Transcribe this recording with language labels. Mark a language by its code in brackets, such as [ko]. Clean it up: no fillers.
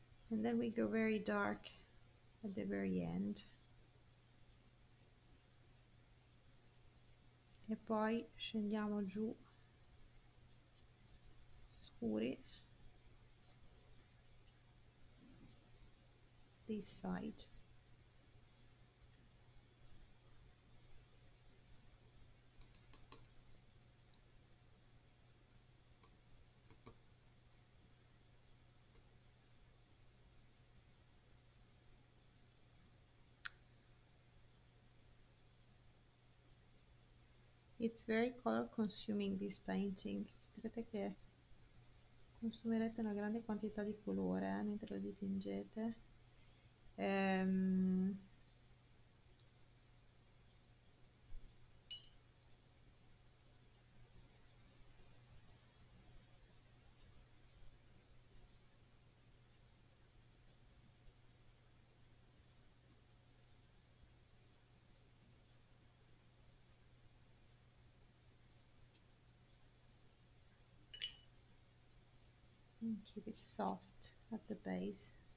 [en] And then we go very dark at the very end. [it] E poi scendiamo giù, scuri, [en] this side. It's very color consuming this painting. [it] Credete che consumerete una grande quantità di colore mentre lo dipingete? [en] And keep it soft at the base.